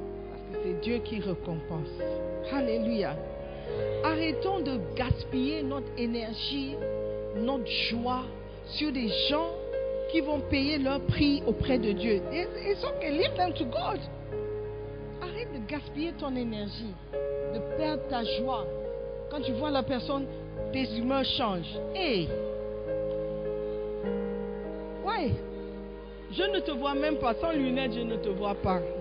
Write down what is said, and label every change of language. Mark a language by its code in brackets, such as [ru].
[fr] Parce que c'est Dieu qui récompense. Alléluia. Arrêtons de gaspiller notre énergie, notre joie sur des gens qui vont payer leur prix auprès de Dieu. [en] It's okay, leave them to God. [fr] Arrête de gaspiller ton énergie, de perdre ta joie. Quand tu vois la personne, tes humeurs changent. Hey! Ouais! Je ne te vois même pas. Sans lunettes, je ne te vois pas.